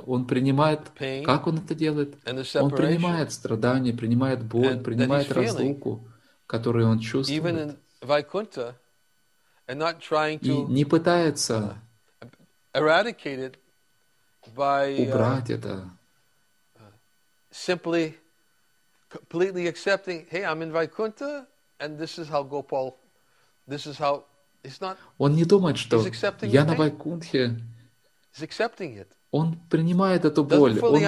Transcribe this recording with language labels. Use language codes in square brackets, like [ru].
[ru] Он принимает, как он это делает? Он принимает страдания, принимает боль, принимает разлуку, которую он чувствует. И не пытается убрать это. [en] Simply, completely accepting, hey, I'm in Vaikuntha, and this is how Gopal, this is how, it's not, [ru] он не думает, что я на Вайкунтхе. Он принимает эту боль.